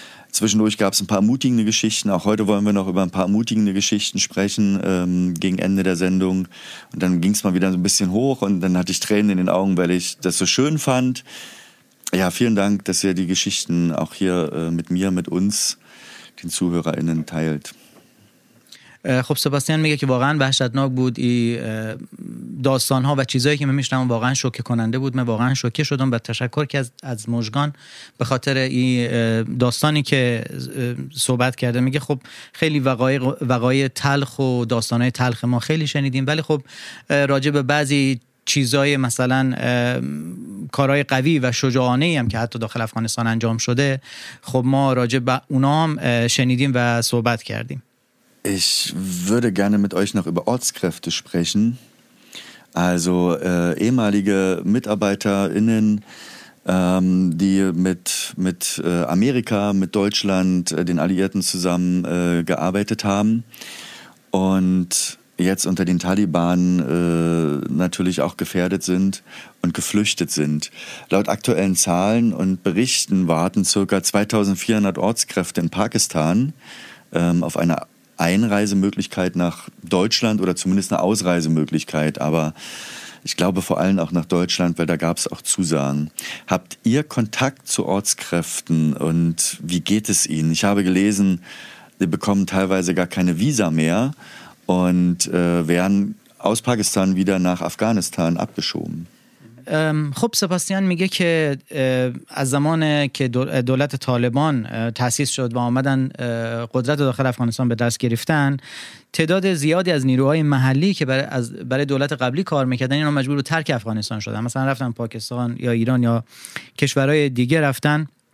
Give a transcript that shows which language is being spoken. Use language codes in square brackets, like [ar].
[de] Zwischendurch gab es ein paar ermutigende Geschichten. Auch heute wollen wir noch über ein paar ermutigende Geschichten sprechen, gegen Ende der Sendung. Und dann ging es mal wieder so ein bisschen hoch und dann hatte ich Tränen in den Augen, weil ich das so schön fand. Ja, vielen Dank, dass ihr die Geschichten auch hier mit mir, mit uns, den ZuhörerInnen teilt. [fa] خب سباستیان میگه که واقعا وحشتناک بود این داستان ها و چیزایی که من میشنوم واقعا شوکه کننده بود. من واقعا شوکه شدم و تشکر که از مژگان به خاطر این داستانی که صحبت کرده. میگه خب خیلی وقایع تلخ و داستان های تلخ ما خیلی شنیدیم ولی خب راجع به بعضی چیزای مثلا کارهای قوی و شجاعانه ای هم که حتی داخل افغانستان انجام شده خب ما راجع به اونا هم شنیدیم و صحبت کردیم. [de] Ich würde gerne mit euch noch über Ortskräfte sprechen. Also ehemalige MitarbeiterInnen, die mit Amerika, mit Deutschland, den Alliierten zusammen gearbeitet haben und jetzt unter den Taliban natürlich auch gefährdet sind und geflüchtet sind. Laut aktuellen Zahlen und Berichten warten ca. 2400 Ortskräfte in Pakistan auf eine Einreisemöglichkeit nach Deutschland oder zumindest eine Ausreisemöglichkeit, aber ich glaube vor allem auch nach Deutschland, weil da gab es auch Zusagen. Habt ihr Kontakt zu Ortskräften und wie geht es ihnen? Ich habe gelesen, sie bekommen teilweise gar keine Visa mehr und werden aus Pakistan wieder nach Afghanistan abgeschoben. [fa] خب سباستیان میگه که از زمان که دولت طالبان تأسیس شد و آمدن قدرت داخل افغانستان به دست گرفتن تعداد زیادی از نیروهای محلی که برای دولت قبلی کار میکردن اینا مجبور به ترک افغانستان شدن، مثلا رفتن پاکستان یا ایران یا کشورهای دیگه رفتن